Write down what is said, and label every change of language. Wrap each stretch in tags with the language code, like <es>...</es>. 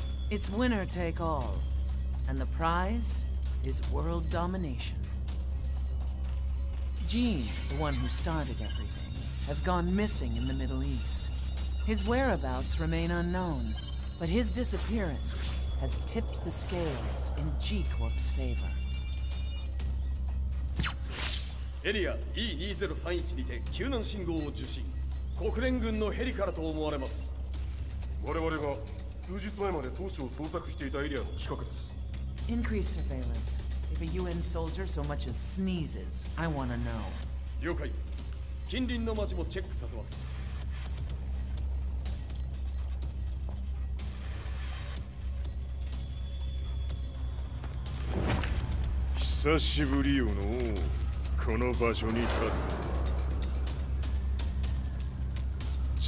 <en>It's winner take all, and the prize is world domination. Jin, the one who started everything, has gone missing in the Middle East. His whereabouts remain unknown, but his disappearance has tipped the scales in G Corp's favor.</en> <ja>エリア E2031 にて救難信号を受信。国連軍のヘリからと思われます。我々は数日前まで当初を捜索していたエリアの近くです。</ja> <en>Increase surveillance. If a UN soldier so much as sneezes, I wanna know.</en> <ja>了解。近隣の街もチェックさせます。久しぶりよのう、この場所に立つ。</ja>